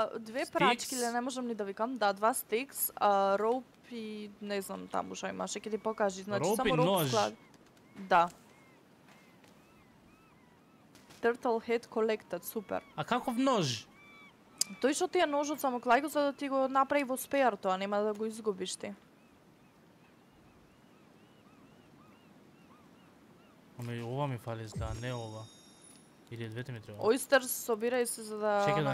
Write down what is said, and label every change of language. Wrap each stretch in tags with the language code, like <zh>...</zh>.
<mk>Две прачки, или не можам ни да викам, да, два стикс, роуп, и не знам таму шо имаше, ќе ти покажи. Значи, роб и нож. Склад... Да.</mk> <en>Turtle head collected, супер.</en> <mk>А каков нож? Тој што ти е ножот само клај го за да ти го направи во спеар тоа, нема да го изгубиш ти. Ами ова ми фали изгла, не ова. Или двете ми треба. Ойстер собирај се за да</mk>